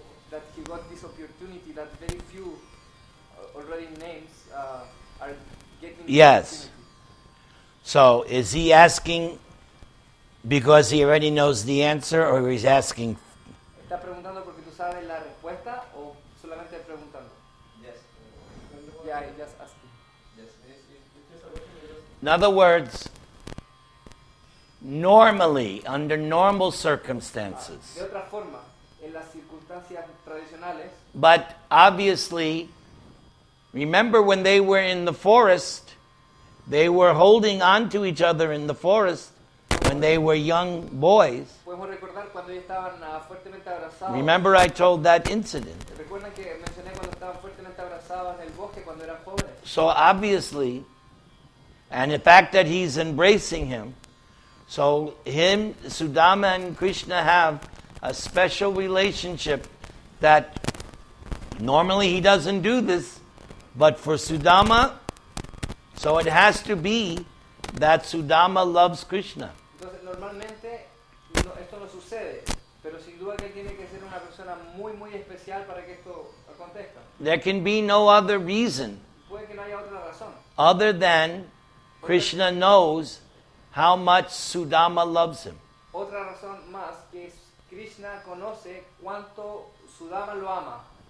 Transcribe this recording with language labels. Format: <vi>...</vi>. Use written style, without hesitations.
<en>That he got this opportunity that very few already names are getting. Yes. So is he asking because he already knows the answer, or is he asking?</en> <es>¿Está preguntando porque tú sabes la respuesta o solamente preguntando?</es> <en>Yes. Yeah, he just asked. In other words, normally, under normal circumstances,</en> <es>de otra forma, en las circunstancias tradicionales,</es> <en>but obviously, remember when they were in the forest, they were holding on to each other in the forest when they were young boys.</en> <es>Podemos recordar cuando ellos estaban fuertemente abrazados.</es> <en>Remember I told that incident.</en> <es>¿Recuerdan que mencioné cuando estaban fuertemente abrazados en el bosque cuando eran pobres?</es> <en>So obviously, and the fact that he's embracing him, so him, Sudama and Krishna have a special relationship that normally he doesn't do this, but for Sudama, so it has to be that Sudama loves Krishna.</en> <es>Entonces, normalmente, esto no sucede, pero sin duda que tiene que ser una persona muy, muy especial para que esto acontezca.</es> <en>There can be no other reason.</en> <es>Puede que no haya otra razón.</es> <en>Other than Krishna knows how much Sudama loves him.</en> <es>Otra razón más que Krishna conoce cuánto Sudama lo ama.</es>